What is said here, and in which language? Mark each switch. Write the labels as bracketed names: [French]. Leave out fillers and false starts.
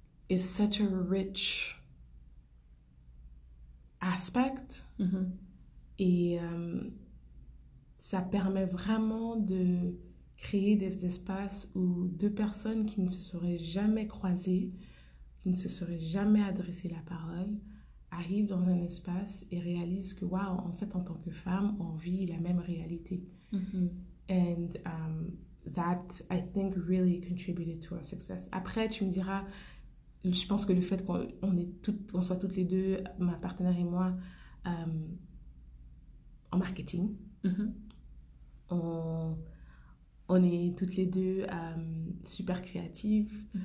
[English] is such a rich aspect [French] et ça permet vraiment de créer des espaces où deux personnes qui ne se seraient jamais croisées, qui ne se seraient jamais adressé la parole, arrivent dans un espace et réalisent que waouh, en fait, en tant que femme, on vit la même réalité. [English] And that, I think, really contributed to our success. [French] Après, tu me diras, je pense que le fait qu'on soit toutes les deux, ma partenaire et moi, en marketing, on est toutes les deux super créatives.